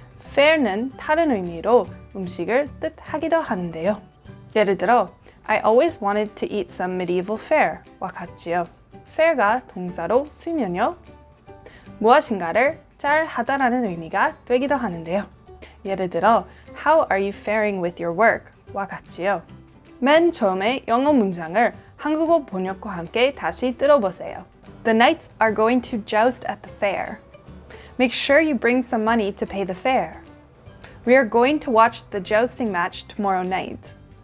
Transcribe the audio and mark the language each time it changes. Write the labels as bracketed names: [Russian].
[Korean] fair는 다른 의미로 음식을 뜻하기도 하는데요. 예를 들어 [English] I always wanted to eat some medieval fare [Korean] 와 같지요. fair가 동사로 쓰이면요. 무엇인가를 잘 하다라는 의미가 되기도 하는데요. 예를 들어 [English] How are you faring with your work? [Korean] 와 같지요. 맨 처음에 영어 문장을 한국어 번역과 함께 다시 들어보세요. [English] The knights are going to joust at the fair. Make sure you bring some money to pay the fare. We are going to watch the jousting match tomorrow night.